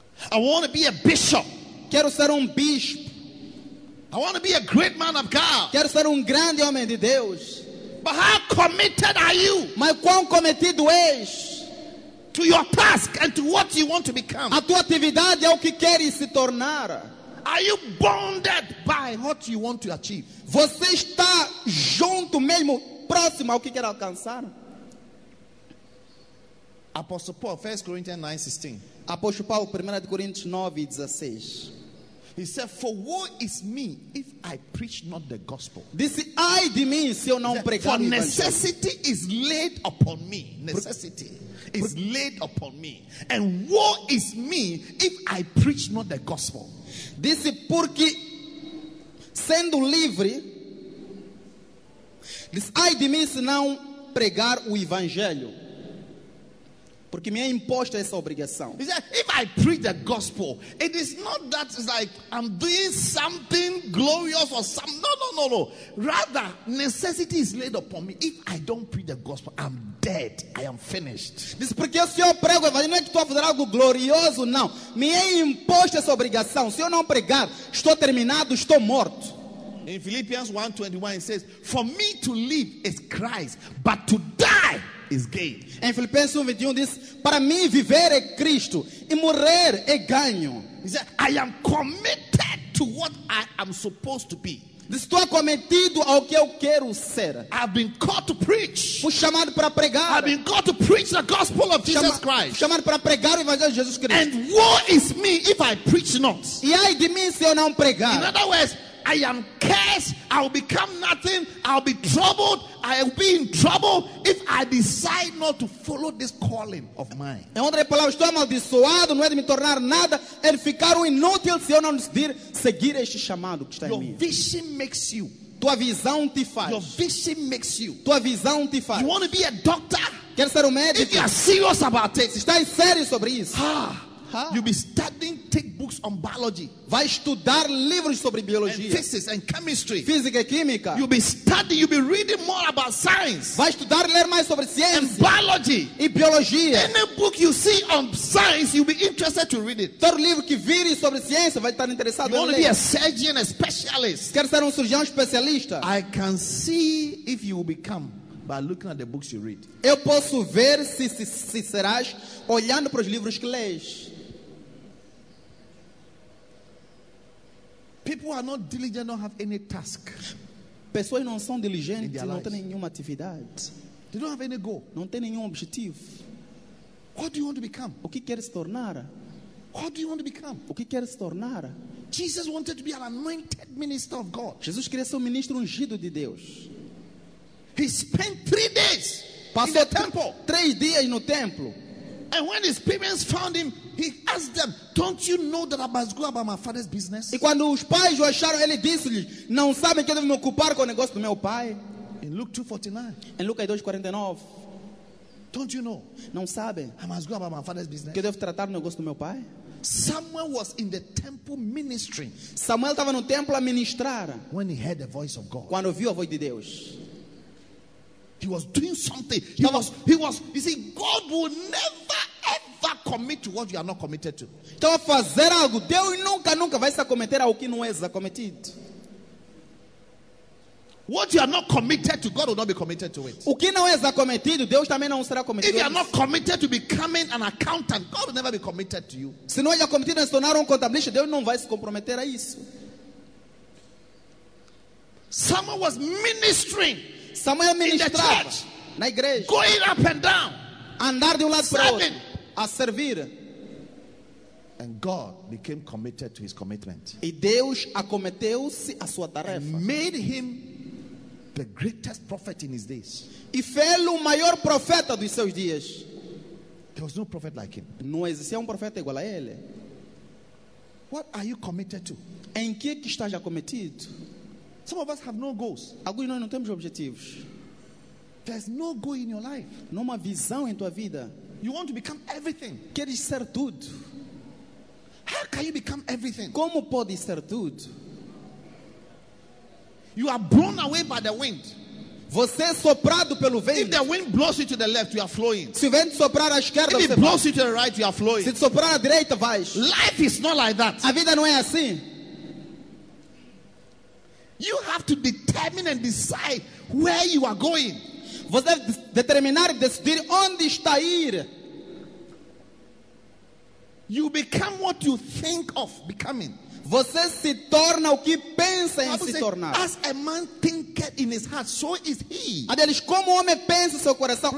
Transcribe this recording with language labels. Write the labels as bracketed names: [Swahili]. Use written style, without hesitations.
[English] I want to be a bishop. [Portuguese] Quero ser bispo. [English] I want to be a great man of God. [Portuguese] Quero ser grande homem de Deus. [English] But how committed are you? [Portuguese] Mas quão cometido és? [English] To your task and to what you want to become. [Portuguese] A tua atividade é o que queres se tornar. [English] Are you bonded by what you want to achieve? [Portuguese] Você está junto mesmo, próximo ao que quer alcançar? [English] Apostle Paul, 1 Corinthians 9, 16. [Portuguese] Apóstolo Paulo, 1 Coríntios 9, 16. [English] He said, for woe is me if I preach not the gospel. [Portuguese] Disse, ai de mim se eu não pregar. [English] For necessity is laid upon me. Necessity is laid upon me. And woe is me if I preach not the gospel. [Portuguese] Disse, porque sendo livre, disse, ai de mim se não pregar o evangelho, porque me é imposta essa obrigação. [English] He said, if I preach the gospel, it is not that it's like I'm doing something glorious or something. No. Rather, necessity is laid upon me. If I don't preach the gospel, I'm dead. I am finished. [Portuguese] Disse, porque se eu prego o evangelho, não é que estou a fazer algo glorioso, não. Me é imposta essa obrigação. Se eu não pregar, estou terminado, estou morto. [English] In Philippians 1:21, it says, for me to live is Christ, but to die is gain. [Portuguese] Em Filipenses 1:21 diz, para mim viver é Cristo e morrer é ganho. [English] He said, I am committed to what I am supposed to be. [Portuguese] Estou acometido ao que eu quero ser. [English] I've been called to preach. [Portuguese] Fui chamado para pregar. [English] I've been called to preach the gospel of Jesus Christ. [Portuguese] Fui chamado para pregar o evangelho de Jesus Cristo. [English] And woe is me if I preach not. [Portuguese] E ai de mim se eu não pregar. [English] In other words, I am cursed, I'll become nothing, I'll be troubled, I'll be in trouble if I decide not to follow this calling of mine. [Portuguese] Em outras palavras, estou amaldiçoado, não é de me tornar nada, é de ficar inútil se eu não decidir seguir este chamado que está em mim. [English] Your vision makes you. [Portuguese] Tua visão te faz. [English] Your vision makes you. [Portuguese] Tua visão te faz. [English] You want to be a doctor? [Portuguese] Quer ser médico? [English] If you are serious about it. [Portuguese] Se está em sério sobre isso. [English] You'll be studying thick books on biology. [Portuguese] Vai estudar livros sobre biologia. [English] And physics and chemistry. [Portuguese] Física e química. [English] You'll be reading more about science. [Portuguese] Vai estudar ler mais sobre ciência. [English] And biology. [Portuguese] E biologia. [English] Any book you see on science, you'll be interested to read it. [Portuguese] Todo livro que vire sobre ciência vai estar interessado em ler. [English] You want to be a surgeon, a specialist. [Portuguese] Quer ser cirurgião especialista. [English] I can see if you will become by looking at the books you read. [Portuguese] Eu posso ver se serás olhando para os livros que lês. [English] People are not diligent, don't have any task. [Portuguese] Pessoas não são diligentes, não têm nenhuma atividade. [English] They don't have any goal. [Portuguese] Não têm nenhum objetivo. [English] What do you want to become? [Portuguese] O que queres tornar? [English] What do you want to become? [Portuguese] O que queres tornar? [English] Jesus wanted to be an anointed minister of God. [Portuguese] Jesus queria ser ministro ungido de Deus. [English] He spent 3 days. [Portuguese] Passou [English] in the temple. [Portuguese] 3 dias no templo. [English] And when his parents found him, he asked them, don't you know that I must go about my father's business? [Portuguese] E quando os pais o acharam, ele disse-lhes, não sabem que eu devo me ocupar com o negócio do meu pai? [English] In Luke 2:49. [Portuguese] Em Lucas 2:49. [English] Don't you know? [Portuguese] Não sabem? [English] I must go about my father's business. [Portuguese] Que eu devo tratar o negócio do meu pai? [English] Samuel was in the temple ministering. [Portuguese] Samuel estava no templo a ministrar. [English] When he heard the voice of God. [Portuguese] Quando ouviu a voz de Deus. [English] He was doing something. He was. You see, God will never ever commit to what you are not committed to. [Portuguese] Estava a fazer algo. Deus nunca vai se acometer ao que não é acometido. [English] What you are not committed to, God will not be committed to it. [Portuguese] O que não és acometido, Deus também não será cometido. [English] If you are not committed to becoming an accountant, God will never be committed to you. [Portuguese] Se não és acometido em se tornar contabilista, Deus não vai se comprometer a isso. [English] Samuel was ministering. [Portuguese] Samuel ministrava [English] in the church, [Portuguese] na igreja. [English] Going up and down. [Portuguese] Andar de lado para outro. A servir. [English] And God became committed to his commitment. [Portuguese] E Deus acometeu-se a sua tarefa. [English] And made him the greatest prophet in his days. [Portuguese] E fê-lo o maior profeta dos seus dias. [English] There was no prophet like him. [Portuguese] Não existia profeta igual a ele. [English] What are you committed to? [Portuguese] Em que estás acometido? [English] Some of us have no goals. [Portuguese] Alguns de nós não temos objetivos. [English] There's no goal in your life. [Portuguese] Não há visão em tua vida. [English] You want to become everything. [Portuguese] Queres ser tudo. [English] How can you become everything? [Portuguese] Como pode ser tudo? [English] You are blown away by the wind. [Portuguese] Você é soprado pelo vento. [English] If the wind blows you to the left, you are flowing. [Portuguese] Se o vento soprar à esquerda, [English] if it blows you to the right, you are flowing. [Portuguese] Se soprar à direita, vais. [English] Life is not like that. [Portuguese] A vida não é assim. [English] You have to determine and decide where you are going. [Portuguese] Você deve determinar e decidir onde está ir. [English] You become what you think of becoming. [Portuguese] Você se torna o que pensa em se tornar. [English] As a man thinketh in his heart, so is he. [Portuguese] A deles, como o homem pensa seu coração,